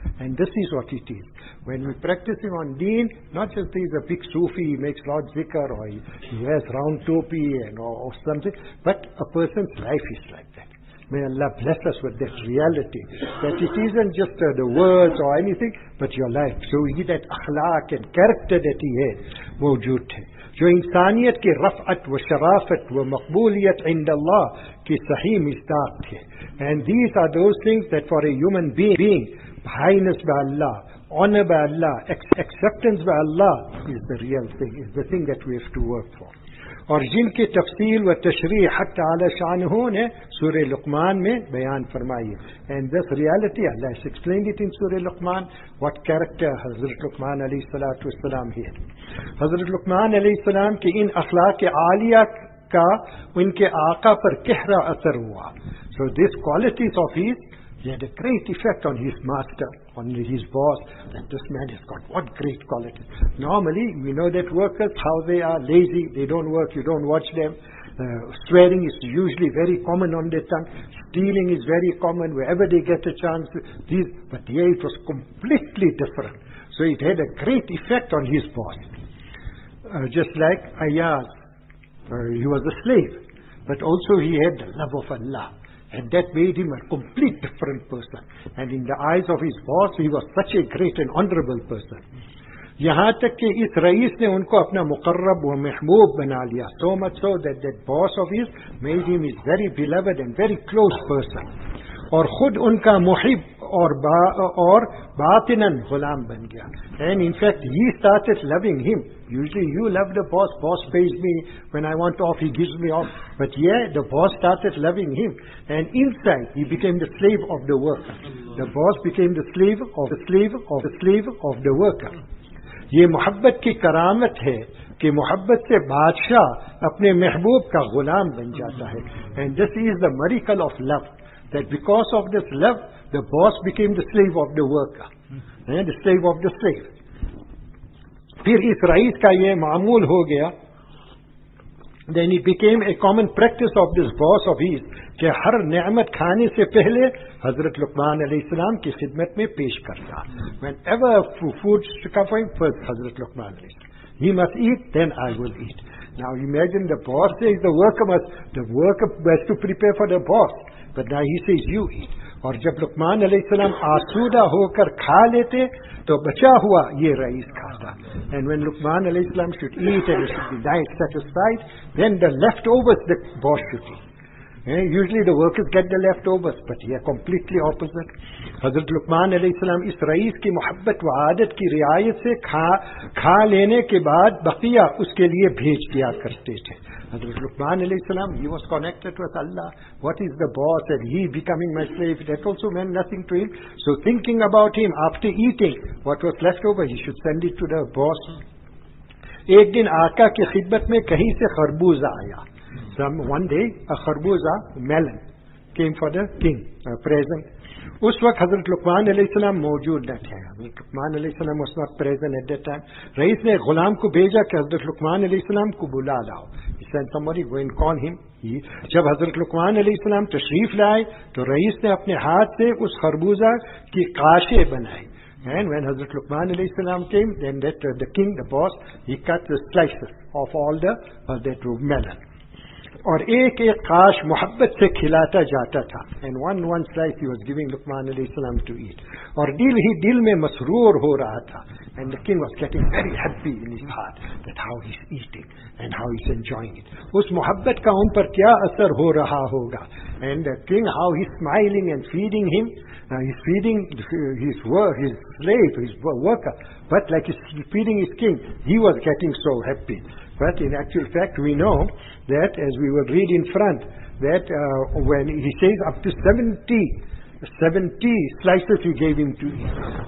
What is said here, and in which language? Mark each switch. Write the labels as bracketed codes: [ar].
[en] And this is what it is. When we practice him on deen, not just he's a big Sufi, he makes Lord Zikr, or he wears round topi and or something, but a person's life is like that. May Allah bless us with that reality. That it isn't just the words or anything, but your life. So he had that akhlaq and character that he had, [ur] mawjood hai. جو انسانیت کی رفعت و شرافت و مقبولیت عند اللہ کی صحیح مصداق تھے. [en] And these are those things that for a human being, highness by Allah, honor by Allah, acceptance by Allah is the real thing, is the thing that we have to work for. [ur] اور جن کی تفصیل و تشریح حق تعالی شانہ نے سورہ لقمان میں بیان فرمائی. [en] And this reality, Allah has explained it in Surah Luqman, what character Hazrat Luqman علیہ السلام ہے. [ur] حضرت لقمان علیہ السلام کی ان اخلاق عالیہ کا ان کے آقا پر گہرا اثر ہوا. [en] So this qualities of his, he had a great effect on his master, on his boss, that this man has got what great qualities. Normally, we know that workers, how they are, lazy, they don't work, you don't watch them. Swearing is usually very common on their tongue. Stealing is very common, wherever they get a chance. But here it was completely different. So it had a great effect on his boss. Just like Ayaz, he was a slave, but also he had the love of Allah. And that made him a complete different person. And in the eyes of his boss, he was such a great and honorable person. [ur] یہاں تک کہ اس رئیس نے ان کو اپنا مقرب و محبوب بنا لیا. [en] So much so that that boss of his made him his very beloved and very close person. [ur] اور خود ان کا محب اور باطنن غلام بن گیا. [en] And in fact, he started loving him. Usually you love the boss, boss pays me, when I want off, he gives me off. But yeah, the boss started loving him. And inside, he became the slave of the worker. The boss became the slave of the slave of the slave of the worker. [ur] یہ محبت کی کرامت ہے کہ محبت سے بادشاہ اپنے محبوب کا غلام بن جاتا ہے. [en] And this is the miracle of love. That because of this love, the boss became the slave of the worker. And the slave of the slave. [ur] پھر اس رئیس کا یہ معمول ہو گیا. [en] Then it became a common practice of this boss of his [ur] کہ ہر نعمت کھانے سے پہلے حضرت لقمان علیہ السلام کی خدمت میں پیش کرتا. [en] Whenever food is coming, first Hazrat Luqman علیہ السلام. He must eat, then I will eat. Now imagine the boss says the worker has to prepare for the boss. But now he says, you eat. [ur] اور جب لقمان علیہ السلام آسودہ ہو کر کھا لیتے تو بچا ہوا یہ رئیس کھاتا. [en] And when Luqman علیہ السلام should eat and should be diet satisfied, then the leftovers the boss should eat. Usually the workers get the leftovers, but here completely opposite. [ur] حضرت لقمان علیہ السلام اس رئیس کی محبت و عادت کی رعایت سے کھا لینے کے بعد بقیہ اس کے لیے بھیج دیا کرتے تھے. [en] حضرت لقمان علیہ السلام, he was connected with Allah. What is the boss and he becoming my slave? That also meant nothing to him. So thinking about him after eating, what was left over, he should send it to the boss. [ur] ایک دن آقا کی خدمت میں کہیں سے خربوزہ آیا. [en] One day, a kharbuza, melon, came for the king, present. [ur] اس وقت حضرت لقمان علیہ السلام موجود نہ تھے. حضرت لقمان علیہ السلام اس وقت [en] present at that time. [ur] رئیس نے غلام کو بھیجا کہ حضرت لقمان علیہ السلام کو بلا لاؤ. [en] He sent somebody, go and call him. [ur] جب حضرت لقمان علیہ السلام تشریف لائے تو رئیس نے اپنے ہاتھ سے اس خربوزہ کی کاشے بنائی. [en] And when Hazrat Luqman علیہ السلام came, then the king, the boss, he cut the slices of all the melon. [ur] اور ایک ایک کاش محبت سے کھلاتا جاتا تھا. [en] And one slice he was giving Luqman علیہ السلام to eat. [ur] اور دل ہی دل میں مسرور ہو رہا تھا. [en] And the king was getting very happy in his heart that how he's eating and how he's enjoying it. [ur] اس محبت کا ان پر کیا اثر ہو رہا ہوگا. [en] And the king, how he's smiling and feeding him. He's feeding his slave, his worker. But like he's feeding his king, he was getting so happy. But in actual fact, we know that, as we will read in front, that when he says up to 70 slices he gave him to eat.